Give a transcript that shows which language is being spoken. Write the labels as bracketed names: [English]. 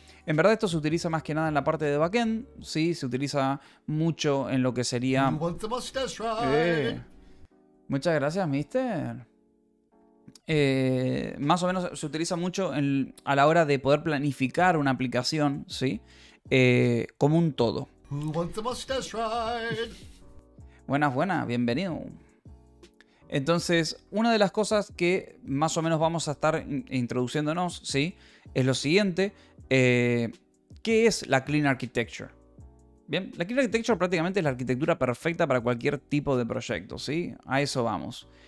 [Spanish] En verdad esto se utiliza más que nada en la parte de backend, ¿sí? Se utiliza mucho en lo que [English] You [Spanish] sería... [English] want the mustache ride. [Spanish] Muchas gracias, mister. Más o menos se utiliza mucho a la hora de poder planificar una aplicación, ¿sí? Como un todo. [English] Who wants the mustache ride? [Spanish] Buenas, buenas, bienvenido. Entonces, una de las cosas que más o menos vamos a estar introduciéndonos, ¿sí? Es lo siguiente. ¿Qué es la Clean Architecture? Bien, la Clean Architecture prácticamente es la arquitectura perfecta para cualquier tipo de proyecto, ¿sí? A eso vamos.